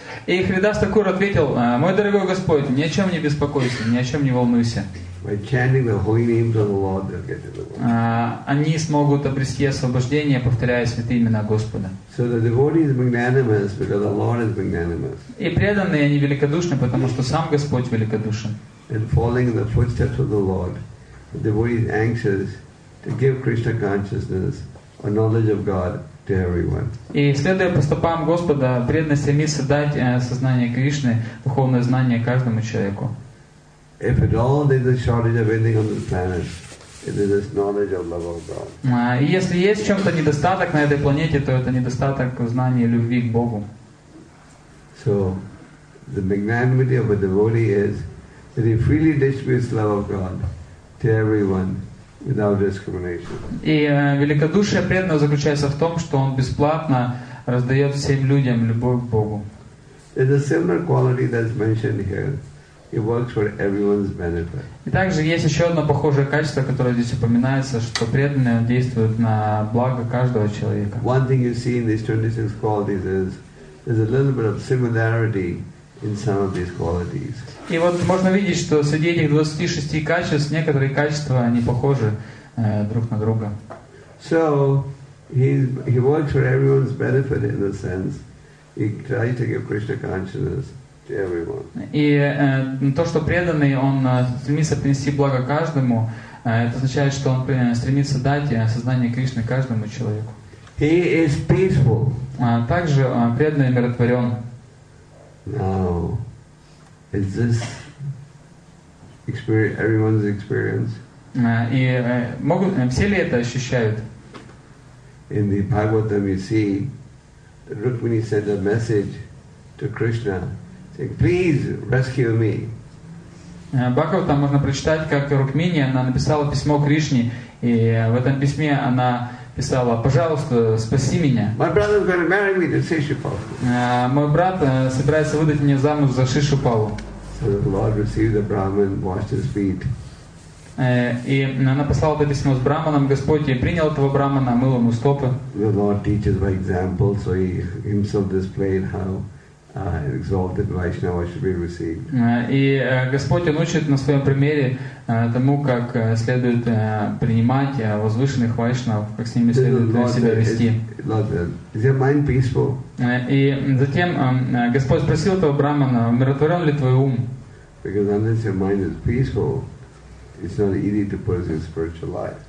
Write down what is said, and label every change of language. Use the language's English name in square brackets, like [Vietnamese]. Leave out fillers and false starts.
[Russian] И Харидас Такур ответил, мой дорогой Господь, ни о чем не беспокойся, ни о чем не волнуйся. Они смогут обрести освобождение, повторяя святые имена Господа. И преданные они великодушны, потому что сам Господь великодушен. И [English] following in the footsteps of the Lord, the devotee is anxious to give Krishna consciousness or knowledge of God. [Russian] И следуя по стопам Господа, преданный стремится дать сознание Кришны, духовное знание каждому человеку. И если есть в чем-то недостаток на этой планете, то это недостаток в знании любви к Богу. [English] So, the magnanimity of a devotee is that he freely distributes love of God to everyone. Without discrimination. [Russian] И великодушие преданного заключается в том, что он бесплатно раздает всем людям любовь к Богу. [English] There's a similar quality that's mentioned here. It works for everyone's benefit. [Russian] И также есть еще одно похожее качество, которое здесь упоминается, что преданное действует на благо каждого человека. [English] One thing you see in these 26 qualities is there's a little bit of similarity in some of these qualities. [Russian] И вот можно видеть, что среди этих 26 качеств некоторые качества они похожи друг на друга. [English] So he works for everyone's benefit in a sense. He tries to give Krishna consciousness to everyone. [Russian] И то, что преданный, он стремится принести благо каждому, это означает, что он стремится дать сознание Кришны каждому человеку. [English] He is peaceful. [Russian] Также преданный умиротворен. [English] Now, is this experience, everyone's experience? [Russian] И могут все ли это ощущают? [English] In the Bhagavatam, you see, Rukmini sent a message to Krishna, saying, "Please rescue me." [Russian] Бхагаватам можно прочитать, как Рукмини она написала письмо Кришне, и в этом письме она писала, пожалуйста, спаси меня. [English] My brother is going to marry me to Шишупалу. [Russian] Мой брат собирается выдать меня замуж за Шишупалу. [English] So the Lord received the Brahman, washed his feet. [Russian] И она послала это письмо с Брахманом, Господь принял этого Брахмана, мыл ему стопы. [English] The Lord teaches by example, so he himself displayed how exalted Vaishnava should be received. [Russian] И Господь учит на своем примере тому, как следует принимать возвышенных вайшнав, как с ними следует себя вести. [English] Is your mind peaceful? [Russian] И затем Господь спросил этого брахмана, умиротворен ли твой ум? [English] Because unless your mind is peaceful, it's not easy to pursue spiritual life.